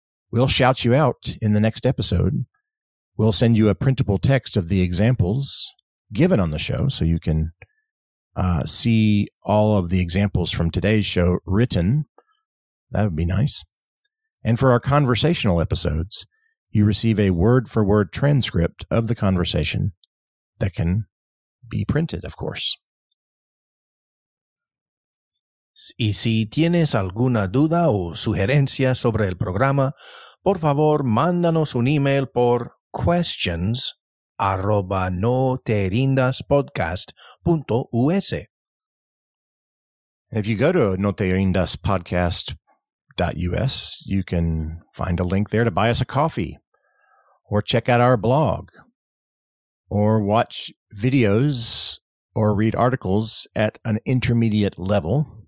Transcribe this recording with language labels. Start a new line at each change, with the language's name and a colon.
English: We'll shout you out in the next episode. We'll send you a printable text of the examples given on the show so you can see all of the examples from today's show written. That would be nice. And for our conversational episodes, you receive a word-for-word transcript of the conversation that can be printed, of course.
Spanish: Y si tienes alguna duda o sugerencia sobre el programa, por favor, mándanos un email por questions@noterindaspodcast.us.
English: If you go to noterindaspodcast.us, you can find a link there to buy us a coffee, or check out our blog, or watch videos, or read articles at an intermediate level.